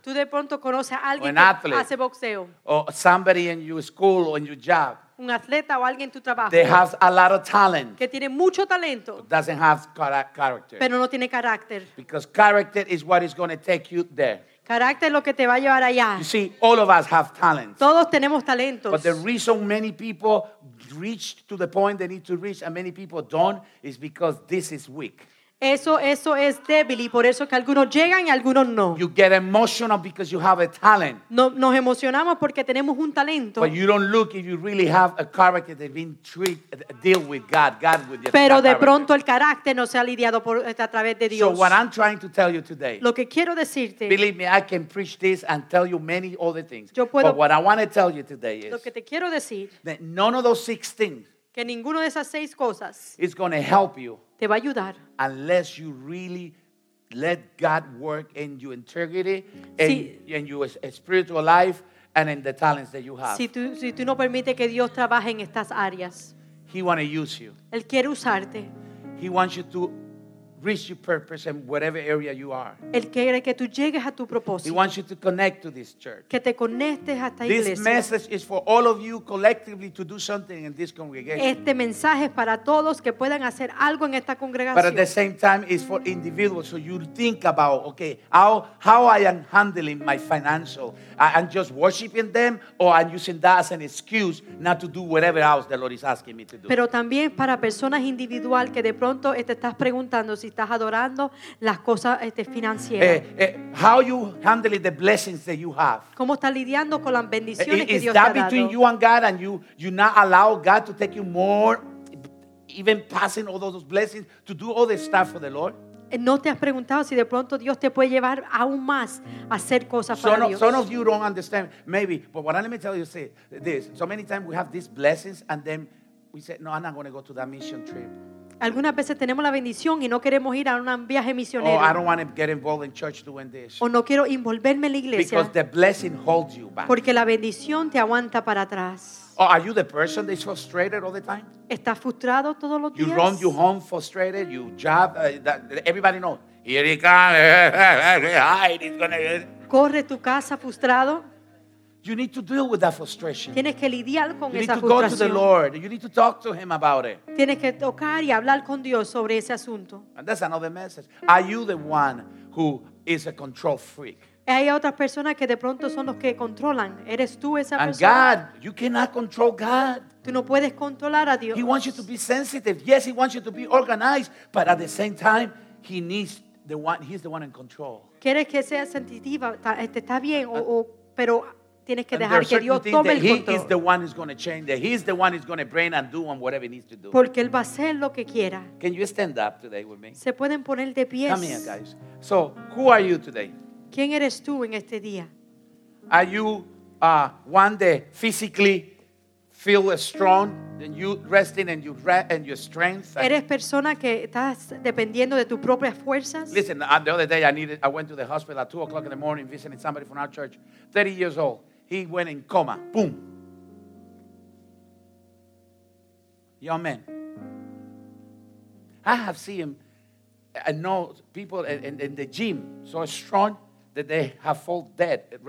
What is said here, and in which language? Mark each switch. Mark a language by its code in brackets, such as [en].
[es] tú de pronto conoces a alguien que athlete, hace boxeo, [en] or somebody in your school or in your job, [es] un atleta o alguien en tu trabajo, [en] they have a lot of talent, [es] que tiene mucho talento, [en] but doesn't have character, [es] pero no tiene carácter, [en] because character is what is going to take you there. [es] Carácter lo que te va a llevar allá. [en] You see, all of us have talents. [es] Todos tenemos talentos. [en] But the reason many people reach to the point they need to reach and many people don't is because this is weak. [es] Eso es débil y por eso que algunos llegan y algunos no. [en] You get emotional because you have a talent. [es] No, nos emocionamos porque tenemos un talento. [en] But you don't look if you really have a character that's been deal with God, God with your [es] pero de [en] character. [es] Pronto el carácter no se ha lidiado por, a través de Dios. [en] So what I'm trying to tell you today, [es] lo que quiero decirte, [en] believe me, I can preach this and tell you many other things. [es] Yo puedo, [en] but what I want to tell you today is [es] lo que te quiero decir, [en] that none of those six things [es] que ninguno de esas seis cosas [en] is going to help you [es] te va a ayudar. [en] Unless you really let God work in your integrity and [es] si, [en] in your spiritual life and in the talents that you have. [es] Si tú no permite que Dios trabaje en estas áreas, [en] He want to use you. [es] Él quiere usarte. [en] He wants you to reach your purpose in whatever area you are. [es] Él quiere que tú llegues a tu propósito. [en] He wants you to connect to this church. [es] Que te conectes a esta [en] this [es] iglesia. [en] This message is for all of you collectively to do something in this congregation. [es] Este mensaje es para todos que puedan hacer algo en esta congregación. [en] But at the same time, it's for individuals. So you think about, okay, how I am handling my financial. I'm just worshiping them, or I'm using that as an excuse not to do whatever else the Lord is asking me to do. [es] Pero también para personas individual que de pronto te estás preguntando si estás adorando las cosas financieras. [en] How you handling the blessings that you have? [es] ¿Cómo estás lidiando con las bendiciones que Dios te ha dado? [en] Is that between you and God, and you not allow God to take you more, even passing all those blessings to do all the stuff for the Lord? [es] ¿No te has preguntado si de pronto Dios te puede llevar aún más a hacer cosas para Dios? [en] Some of you don't understand, maybe, but what let me tell you say this. So many times we have these blessings and then we say, no, I'm not going to go to that mission trip. [es] Algunas veces tenemos la bendición y no queremos ir a un viaje misionero. [en] Oh, I don't want to get involved in church doing this. [es] O no quiero envolverme en la iglesia. [en] Because the blessing holds you back. [es] Porque la bendición te aguanta para atrás. [en] Oh, are you the person that's frustrated all the time? [es] ¿Estás frustrado todos los días? [en] You run your home frustrated, you job, everybody knows. Here he comes. [es] Corre tu casa frustrado. [en] You need to deal with that frustration. [es] Tienes que lidiar con [en] you [es] esa [en] need to [es] frustración. [en] Go to the Lord. You need to talk to Him about it. [es] Tienes que tocar y hablar con Dios sobre ese asunto. [en] And that's another message. Are you the one who is a control freak? [es] Hay otras personas que de pronto son los que controlan. ¿Eres tú esa [en] and [es] persona? [en] And God, you cannot control God. [es] Tú no puedes controlar a Dios. [en] He wants you to be sensitive. Yes, He wants you to be organized. But at the same time, He needs the one. He's the one in control. [es] ¿Quieres que sea sensitiva? Está bien, pero tienes que dejar que Dios tome el control. [en] He is the one who's going to change that. He's the one who's going to bring and do and whatever he needs to do. [es] Porque él va a hacer lo que quiera. [en] Can you stand up today with me? [es] Se pueden poner de pie. [en] Come here, guys. So, who are you today? [es] ¿Quién eres tú en este día? [en] Are you one that physically feel strong and you resting in your strength? [es] ¿Eres persona que estás dependiendo de tus propias fuerzas? [en] Listen, the other day I went to the hospital at 2 o'clock in the morning visiting somebody from our church. 30 years old. He went in coma. Boom. Young man. I have seen him. I know people in the gym so strong that they have fallen dead.